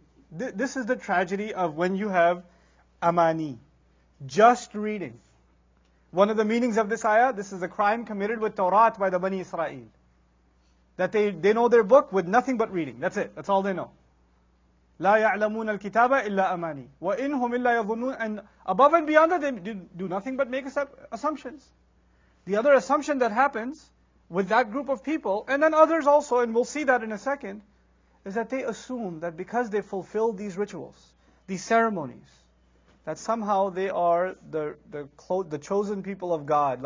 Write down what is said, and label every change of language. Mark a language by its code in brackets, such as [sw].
[en] This is the tragedy of when you have amani, just reading. One of the meanings of this ayah, this is a crime committed with Torah by the Bani Israel. That they know their book with nothing but reading. That's it. That's all they know. [ar] لا يعلمون الكتاب إلا أماني وإنهم إلا يظنون. [en] And above and beyond that, they do nothing but make assumptions. The other assumption that happens with that group of people, and then others also, and we'll see that in a second, is that they assume that because they fulfill these rituals, these ceremonies, that somehow they are the chosen people of God.